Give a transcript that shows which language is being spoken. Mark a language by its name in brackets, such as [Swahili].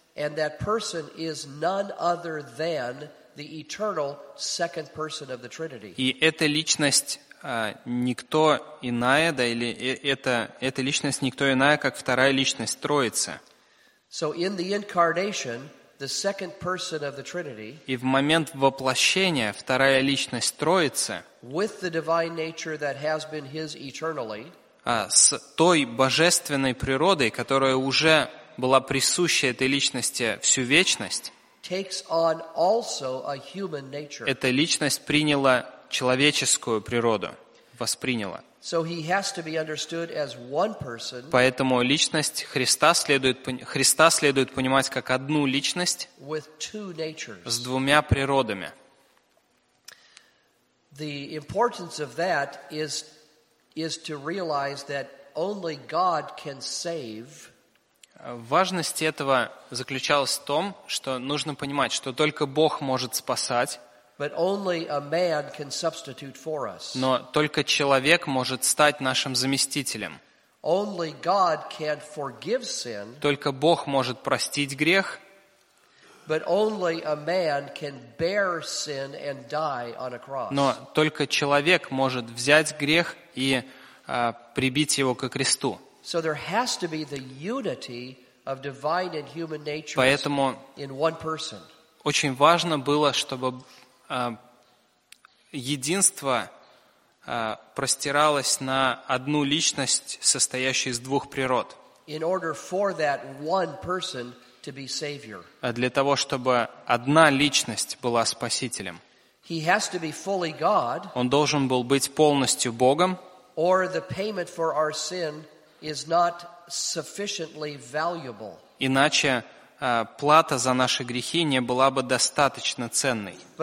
[English] And that person is none other than the eternal second person of the Trinity. [Russian] И эта личность никто иная, да, или эта личность никто иная, как вторая личность Троицы. [English] So in the incarnation, the second person of the Trinity, [Russian] и в момент воплощения вторая личность Троицы, [English] with the divine nature that has been his eternally, [Russian] с той божественной природой, которая уже была присуща этой личности всю вечность, [English] takes on also a human nature. [Russian] Эта личность приняла человеческую природу, восприняла. [English] So he has to be understood as one person, [Russian] поэтому личность Христа следует понимать как одну личность [English] with two natures. [Russian] С двумя природами. [English] The importance of that is to realize that only God can save. [Russian] Важность этого заключалась в том, что нужно понимать, что только Бог может спасать. [English] But only a man can substitute for us. [Russian] Но только человек может стать нашим заместителем. [English] Only God can forgive sin. [Russian] Только Бог может простить грех. [English] But only a man can bear sin and die on a cross. [Russian] Но только человек может взять грех и прибить его ко кресту. [English] So there has to be the unity of divine and human natures. [Russian] Поэтому [English] in one person. [Russian] Очень важно было, чтобы единство простиралось на одну личность, состоящую из двух природ. [English] In order for that one person to be savior. [Russian] Для того, чтобы одна личность была спасителем. [English] He has to be fully God. [Russian] Он должен был быть полностью Богом. [English] Or the payment for our sin is not sufficiently valuable. [Russian] Иначе плата за наши грехи не была бы достаточно ценной.